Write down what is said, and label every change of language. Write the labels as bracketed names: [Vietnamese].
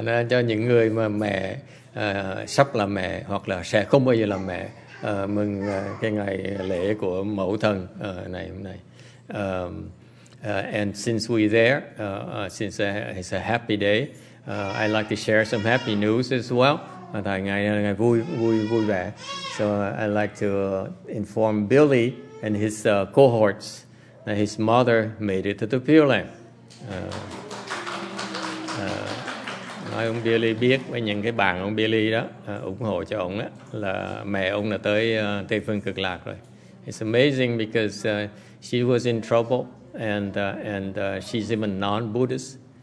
[Vietnamese] Cho những người mà mẹ sắp là mẹ hoặc là sẽ không bao giờ làm mẹ, mừng cái ngày lễ của mẫu thân này hôm nay. [English] And since we're there, since it's a happy day, I'd like to share some happy news as well. [Vietnamese] Tại ngày này là ngày vui vẻ. [English] So I'd like to inform Billy and his cohorts that his mother made it to the Pure Land. [Vietnamese] Nói ông Billy biết với những cái bạn ông Billy đó ủng hộ cho ông đó, là mẹ ông là tới Tây Phương Cực Lạc rồi. [English] It's amazing because she was in trouble and she's even non-Buddhist.